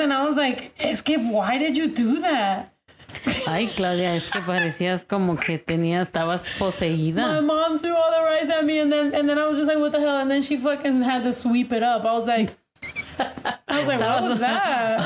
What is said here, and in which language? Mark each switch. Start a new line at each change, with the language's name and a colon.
English: And I was like,
Spanish: es que,
English: why did you do that?
Spanish: Ay, Claudia, es que parecías como que tenías, estabas poseída.
English: My mom threw all the rice at me and then I was just like, what the hell? And then she fucking had to sweep it up. I was like, what was that?